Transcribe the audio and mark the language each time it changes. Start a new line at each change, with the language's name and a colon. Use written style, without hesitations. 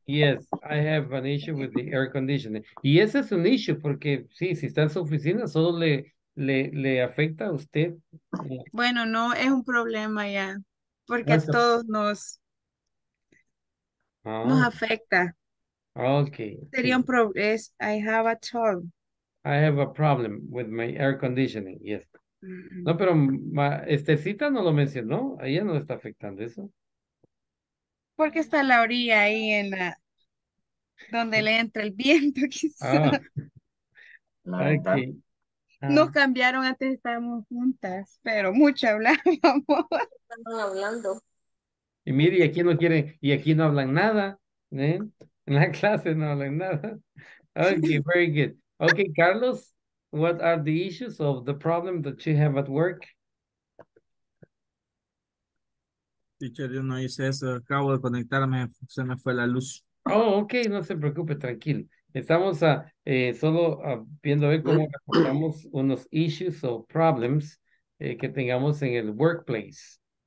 English: Yes, I have an issue with the air conditioning.
Spanish: Y ese es un issue porque, sí, si está en su oficina, solo le afecta a usted. Bueno, no, es un problema ya. Porque a todos nos afecta.
English: Okay.
Spanish: Sería un problema.
English: I have a trouble. I have a problem with my air conditioning.
Spanish: Yes. No, pero Estercita no lo mencionó. A ella no le está afectando eso. Porque está la orilla ahí en la donde le entra el viento, quizás. Ah.
English: Okay.
Spanish: Nos cambiaron antes, estábamos juntas, pero mucho hablábamos. Estaban hablando. Y mire, y aquí no quieren, y aquí no hablan nada, ¿eh? En la clase no hablan nada.
English: Okay, very good. Okay, Carlos, what are the issues of the problem that you have at work?
Spanish: Teacher, yo no hice eso, acabo de conectarme, se me fue la luz. Oh, okay, no se preocupe, tranquilo. Estamos viendo a ver cómo reportamos unos issues o problems que tengamos en el workplace.